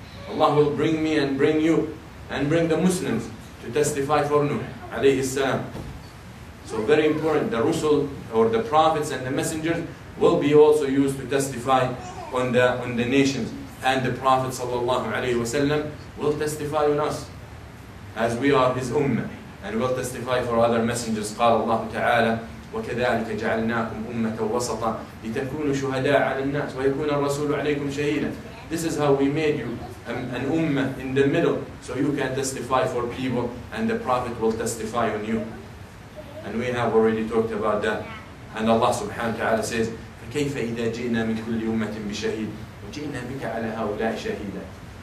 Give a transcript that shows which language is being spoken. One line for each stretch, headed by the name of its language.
English: Allah will bring me and bring you and bring the Muslims to testify for Nuh alayhi salam. So very important, the Rusul or the Prophets and the Messengers will be also used to testify on the nations. And the Prophet sallallahu alayhi wa sallam will testify on us as we are his Ummah. And will testify for other Messengers.
Arabic: قال الله تعالى وكذلك جعلناكم أمة وسطا لتكونوا شهداء على الناس ويكون الرسول عليكم شهيدا.
English: This is how we made you an Ummah in the middle so you can testify for people and the Prophet will testify on you. And we have already talked about that. And Allah subhanahu wa ta'ala says,
Arabic: فَكَيْفَ إِذَا جِئْنَا مِنْ كُلِّ أُمَّةٍ بِشَهِيدٍ وَجِئْنَا بِكَ عَلَى هَؤُلَاءِ شَهِيدًا.